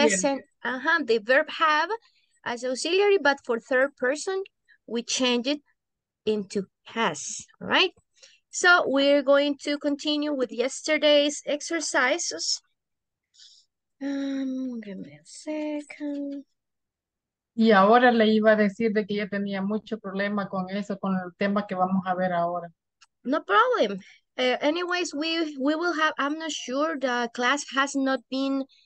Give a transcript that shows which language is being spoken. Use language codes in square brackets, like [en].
[en] present, the verb have as auxiliary, but for third person, we change it into has, all right. So we're going to continue with yesterday's exercises. Give me a second. [es] Y ahora le iba a decir de que ya tenía mucho problema con eso, con el tema que vamos a ver ahora. [en] No problem. Anyways, we will have, I'm not sure, the class has not been